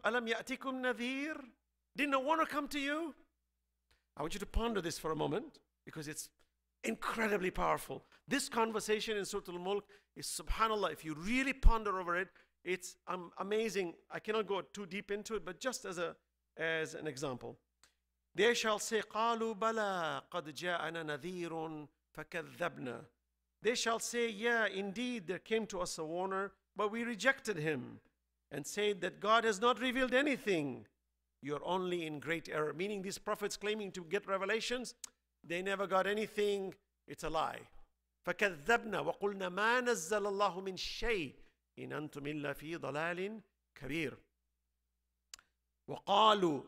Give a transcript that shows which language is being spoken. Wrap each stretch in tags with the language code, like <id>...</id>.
<ar>Alam ya'tikum nadhir?</ar> <en>Didn't a warner come to you? I want you to ponder this for a moment because it's incredibly powerful. This conversation in Surah Al-Mulk is, subhanAllah, if you really ponder over it, it's amazing. I cannot go too deep into it, but just as an example. They shall say,</en> <ar>قَالُوا بَلَىٰ قَدْ جَاءَنَا نَذِيرٌ فَكَذَّبْنَا.</ar> <en>They shall say, yeah, indeed, there came to us a warner, but we rejected him and said that God has not revealed anything. You're only in great error. Meaning these prophets claiming to get revelations, they never got anything. It's a lie.</en> <ar>فَكَذَّبْنَا وَقُلْنَا مَا نَزَّلَ اللَّهُ مِنْ شَيْءٍ إِنْ أَنْتُمْ إِلَّا فِي ضَلَالٍ كَبِيرٍ وَقَالُوا.</ar>